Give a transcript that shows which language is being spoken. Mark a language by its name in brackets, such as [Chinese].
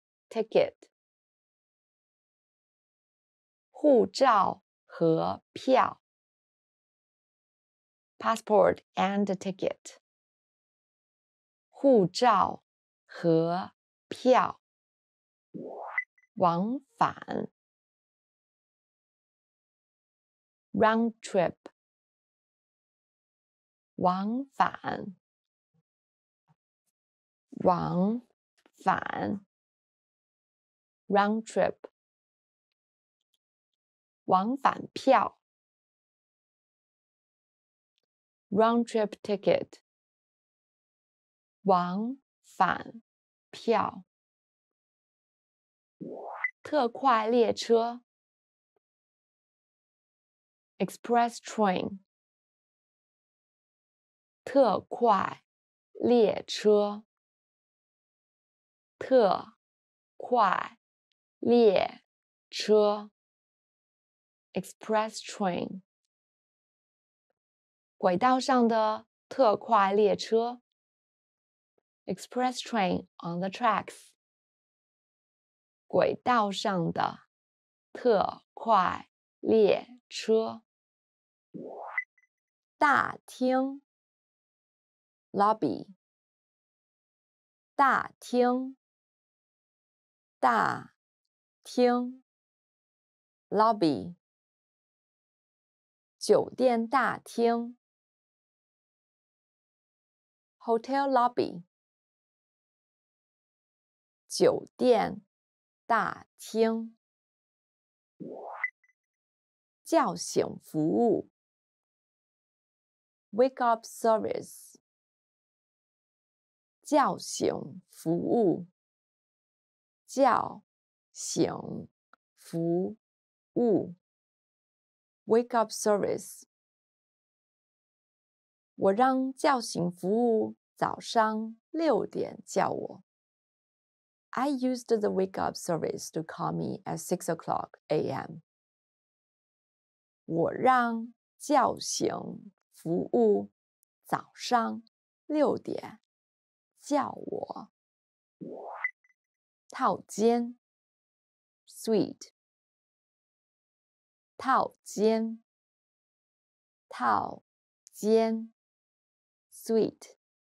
[Chinese] Ticket, 护照和票， [English] Passport and ticket, [Chinese] 护照和票，往返。 [English] Round trip, [Chinese] 往返，往返。 [English] Round trip, [Chinese] 往返票。 [English] Round trip ticket, [Chinese] 往返票。特快列车。 [English] Express train, [Chinese] 特快列车，特快列车。 [English] Express train, [Chinese] 轨道上的特快列车。 [English] Express train on the tracks, [Chinese] 轨道上的特快列车。大厅 Lobby 大厅大厅 Lobby 酒店大厅 [English] Hotel Lobby [Chinese] 酒店大厅叫醒服务 [English] Wake up service, [Chinese] 叫醒服务，叫醒服务 ，Wake up service。我让叫醒服务早上六点叫我。 [English] I used the wake up service to call me at 6 o'clock a.m. [Chinese] 我让叫醒。服务早上六点叫我套间 suite 套间套间 suite